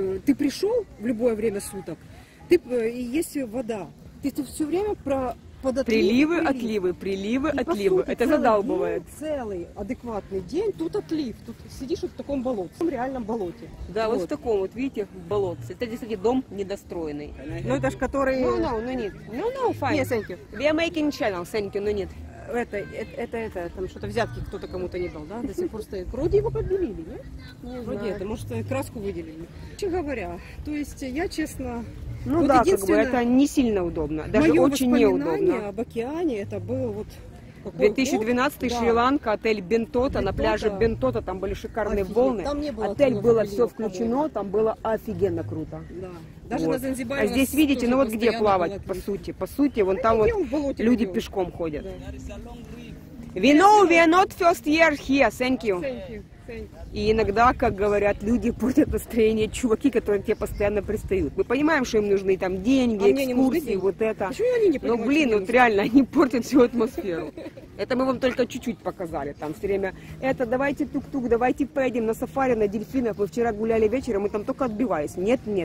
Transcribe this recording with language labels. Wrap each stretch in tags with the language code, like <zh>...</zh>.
<ru>Ты пришел в любое время суток, и есть вода. Ты все время под отливы, приливы, отливы. По сути, это задалбывает. Целый адекватный день, тут отлив, тут сидишь вот в таком болоте, в таком реальном болоте. Да, вот в таком вот, видите, болотце. Это, кстати, дом недостроенный. Ну, это ж который... Нет.</ru> <en>Fine.</en> <ru>Нет,</ru> <en>thank you. We are making channel, thank you,</en> <ru>но нет. Это, там что-то взятки кто-то кому-то не дал, да? До сих пор стоит. Вроде его подбелили, не? Вроде знаю. Это, может, краску выделили. Вообще говоря, то есть я, честно... Ну вот да, как бы это не сильно удобно, даже очень неудобно. Мое воспоминание об океане, это было вот... 2012-й год? Шри-Ланка, да. Отель Бентота, на пляже Бентота, там были шикарные волны. Там не было. Отель было все включено, там было офигенно круто. Да. Даже вот. На Занзибаре. А здесь, видите, ну вот где плавать, по сути. По сути, вон там вот люди пешком ходят. Да.</ru> <en>We know we are not first year here, thank you. Thank you.</en> <ru>И иногда, как говорят, люди портят настроение, чуваки, которые тебе постоянно пристают. Мы понимаем, что им нужны там деньги, экскурсии, вот это. Почему они не понимают? Но, блин, вот реально, они портят всю атмосферу. Это мы вам только чуть-чуть показали там все время. Это давайте тук-тук, давайте поедем на сафари, на дельфинов. Мы вчера гуляли вечером, мы там только отбивались. Нет.</ru>